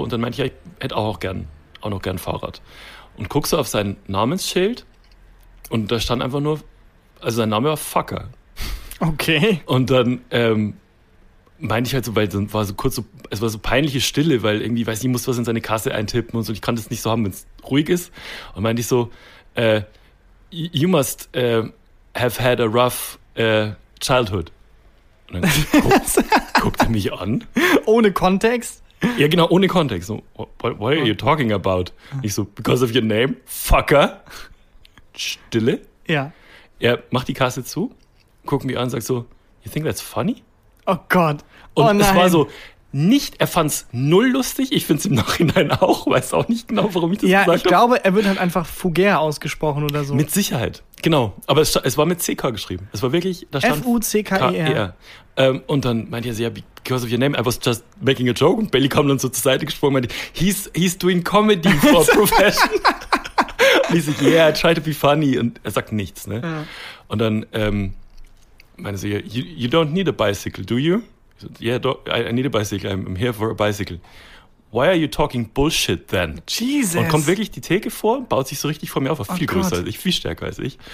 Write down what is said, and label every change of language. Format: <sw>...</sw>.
<de>Und dann meinte ich, ja, ich hätte auch noch gern ein Fahrrad. Und guckst du auf sein Namensschild und da stand einfach nur, also sein Name war Fucker. Okay. Und dann meinte ich halt so, weil es war so peinliche Stille, weil irgendwie, weiß ich, muss was in seine Kasse eintippen und so. Und ich kann das nicht so haben, wenn es ruhig ist. Und meinte ich so,</de> <en>you must have had a rough childhood.</en> <de>Und dann guckt er mich an. Ohne Kontext? Ja, genau, ohne Kontext. So,</de> <en>what are you talking about?</en> <de>Und ich so,</de> <en>because of your name,</en> <de>Fucker. Stille. Ja. Er macht die Kasse zu, guckt mich an, sagt so,</de> <en>you think that's funny?</en> <de>Oh Gott. Und oh, es war so, nicht, er fand es null lustig. Ich finde es im Nachhinein auch, weiß auch nicht genau, warum ich das gesagt habe. Ja, ich glaube, er wird halt einfach Fugger ausgesprochen oder so. Mit Sicherheit. Genau, aber es war mit CK geschrieben. Es war wirklich, da stand Fucker. Und dann meinte er so, ja,</de> <en>because of your name, I was just making a joke.</en> <de>Und Belly kam dann so zur Seite gesprungen und meinte,</de> <en>he's doing comedy for profession.</en> <de>Und ich so,</de> <en>yeah, I try to be funny.</en> <de>Und er sagt nichts, ne? Ja. Und dann meinte sie,</de> <en>you don't need a bicycle, do you?</en> <de>Ich so,</de> <en>yeah, I need a bicycle, I'm here for a bicycle. Why are you talking bullshit then? Jesus.</en> <de>Und kommt wirklich die Theke vor, baut sich so richtig vor mir auf, viel größer als ich, viel stärker als ich.</de>